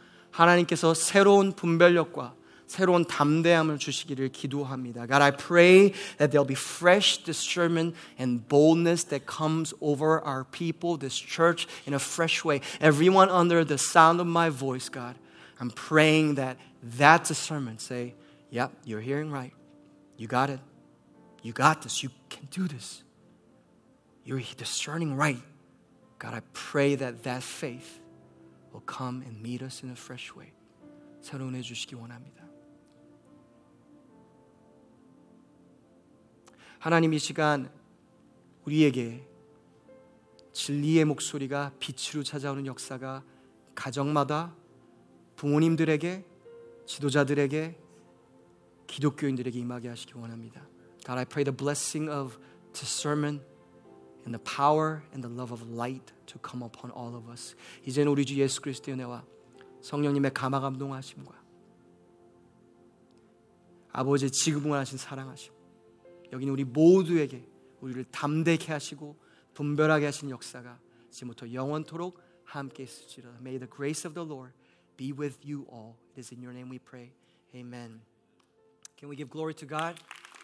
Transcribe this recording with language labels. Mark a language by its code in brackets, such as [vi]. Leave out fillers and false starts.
[ko] 하나님께서 새로운 분별력과 새로운 담대함을 주시기를 기도합니다. [en] God, I pray that there'll be fresh discernment and boldness that comes over our people, this church, in a fresh way. Everyone under the sound of my voice, God, I'm praying that that discernment say, yep, you're hearing right. You got it. You got this. You can do this. You're discerning right. God, I pray that that faith will come and meet us in a fresh way. [ko] 새로운 해 주시기 원합니다. 하나님 이 시간 우리에게 진리의 목소리가 빛으로 찾아오는 역사가 가정마다 부모님들에게 지도자들에게 기독교인들에게 임하게 하시기 원합니다. [en] God, I pray the blessing of discernment and the power and the love of light to come upon all of us. [ko] 이제는 우리 주 예수 그리스도의 은혜와 성령님의 감화 감동하심과 아버지의 지극하신 사랑하심 여기는 우리 모두에게 우리를 담대케 하시고 분별하게 하신 역사가 지금부터 영원토록 함께 있을지라. [en] May the grace of the Lord be with you all. It is in your name we pray. Amen. Can we give glory to God?